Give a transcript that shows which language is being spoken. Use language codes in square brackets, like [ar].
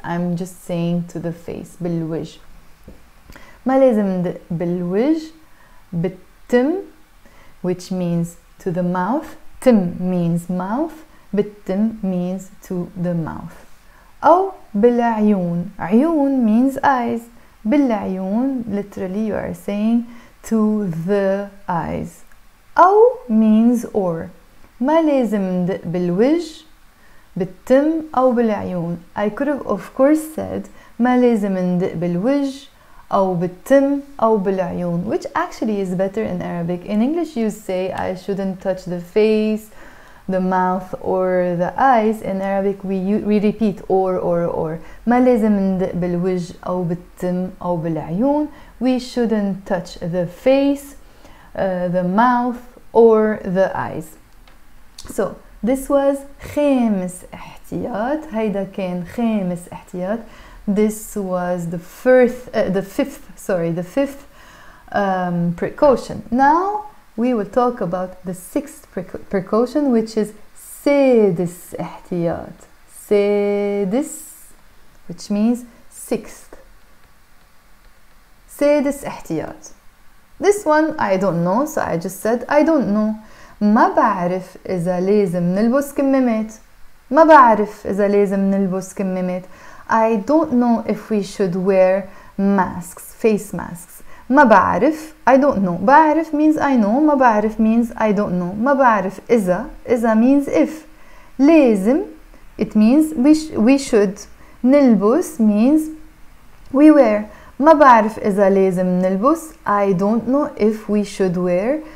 [en] I'm just saying to the face. بالوجه. [ar] ما لازم ندق بالوجه, بالتم, [en] which means to the mouth. تم means mouth. بالتم means to the mouth. [ar] أو بالعيون. عيون [en] means eyes. بالعيون, literally you are saying to the eyes. أو means or. [ar] ما لازم ندق بالوجه, بالتم أو بالعيون. [en] I could have of course said [ar] ما لازم ندق بالوجه أو بالتم أو بالعيون, [en] which actually is better in Arabic. In English you say I shouldn't touch the face, the mouth or the eyes. In Arabic we repeat or. [ar] ما لازم ندق بالوجه أو بالتم أو بالعيون. [en] We shouldn't touch the face, the mouth or the eyes. So this was خامس احتياط. [ar] هيدا كان خامس احتياط. [en] This was the fifth precaution. Now we will talk about the sixth precaution, which is سادس احتياط. سادس, which means sixth. [ar] سادس احتياط. [en] This one I don't know, so I just said I don't know. [ar] ما بعرف إذا لازم نلبس كمامات. ما بعرف إذا لازم نلبس كمامات. [en] I don't know if we should wear masks, face masks. [ar] ما بعرف, [en] I don't know. بعرف means I know. ما بعرف means I don't know. ما بعرف إذا, إذا means if. لازم, it means we should. نلبس means we wear. [ar] ما بعرف إذا لازم نلبس. [en] I don't know if we should wear